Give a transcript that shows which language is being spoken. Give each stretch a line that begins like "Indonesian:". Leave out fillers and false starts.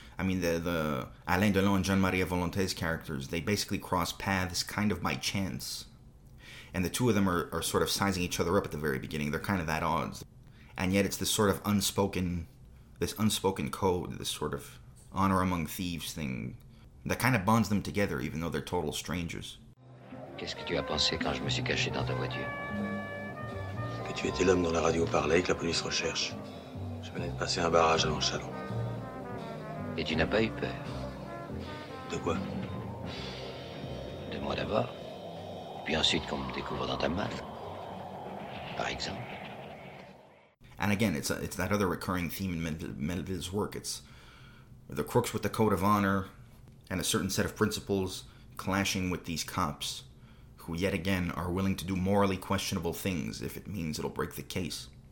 English: I mean, the Alain Delon and Jean-Marie Volonté's characters, they basically cross paths kind of by chance. And the two of them are sort of sizing each other up at the very beginning. They're kind of at odds. And yet it's this sort of unspoken code, this sort of honor among thieves thing that kind of bonds them together, even though they're total strangers.
French: Qu'est-ce que tu as pensé quand je me suis caché dans ta voiture? Que tu étais l'homme dont la radio parlait et que la police recherche. Je venais de passer un barrage à Montchalon. Et tu n'as pas eu peur? De quoi? De moi d'abord. Puis ensuite qu'on me découvre dans ta malle. Par exemple.
English: And again, it's that other recurring theme in Melville's work. It's the crooks with the code of honor and a certain set of principles clashing with these cops who yet again are willing to do morally questionable things if it means it'll break the case.